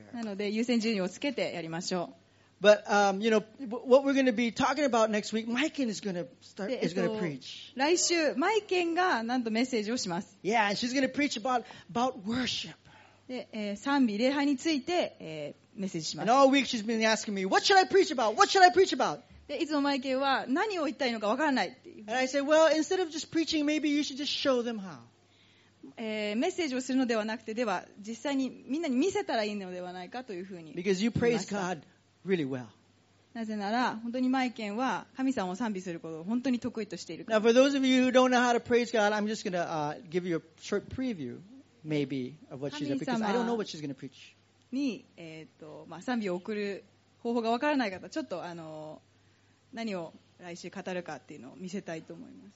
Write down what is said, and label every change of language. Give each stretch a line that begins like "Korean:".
Japanese: なので優先順位をつけてやりましょう。
English: But you know what we're going to be talking about next week, Maiken is going to start is going to preach.
Japanese: 来週マイケンがなんとメッセージをします。
English: Yeah, and she's going to preach about worship.
Japanese: で、賛美礼拝について、メッセージします。
English: And all week she's been asking me, what should I preach about? What should I preach about?
Japanese: で、いつもマイケンは何を言いたいのかわからないっていう。
English: And I say, well, instead of just preaching, maybe you should just show them how.
Japanese: メッセージをするのではなくて、では実際にみんなに見せたらいいのではないかというふうに。
English: Because you praise God. Really well.
Japanese: なぜなら本当にマイケンは神様を賛美することを本当に得意としているから
English: 。Now for those of you who don't know how to praise God, I'm just gonna give you a short preview, maybe of what she's gonna preach. I don't know what she's gonna preach.
Japanese: に、まあ、賛美を送る方法がわからない方、ちょっと何を来週語るかっていうのを見せたいと思います。